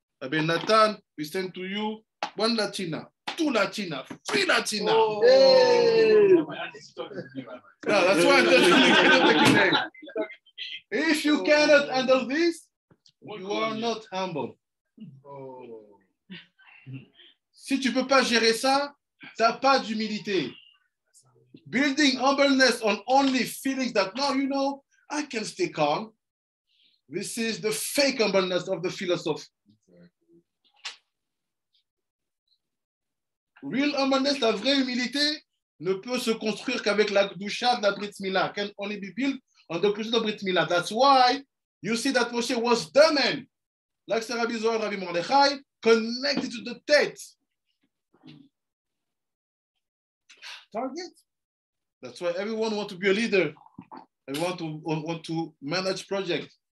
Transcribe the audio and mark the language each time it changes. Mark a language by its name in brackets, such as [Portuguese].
[English] Rabbi Nathan, we send to you one Latina, two Latina, three Latina. Oh. Hey. No, that's why I'm telling you, the name. If you cannot handle this, you are not humble. [French] Si tu peux pas gérer ça, t'as pas d'humilité. [English] Building humbleness on only feelings that, no, you know, I can stay calm. This is the fake humbleness of the philosopher. Real humbleness, [French] la vraie humilité, ne peut se construire qu'avec la gdusha de la Brit Mila. [English] Can only be built on the kedusha of Brit Mila. That's why you see that Moshe was the man, like Rabbi Zohar, Rabbi Mordechai, connected to the Tet. Target. That's why everyone wants to be a leader. Everyone want to manage project.